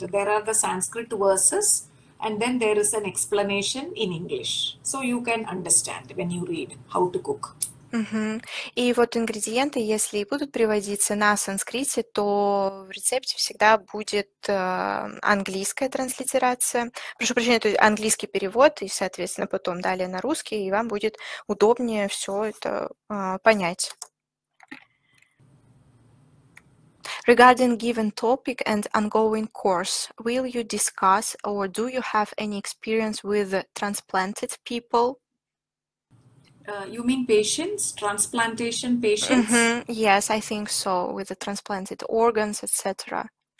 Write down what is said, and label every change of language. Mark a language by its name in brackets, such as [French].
[English] There are the Sanskrit verses, and then there is an explanation in English, so you can understand when you read how to cook. [Russian] И вот ингредиенты, если будут приводиться на санскрите, то в рецепте всегда будет английская транслитерация. Прошу прощения, то есть английский перевод, и, соответственно, потом далее на русский, и вам будет удобнее все это понять. [English] Regarding given topic and ongoing course, will you discuss or do you have any experience with transplanted people? You mean patients, transplantation patients? Mm-hmm. Yes, I think so, with the transplanted organs, etc.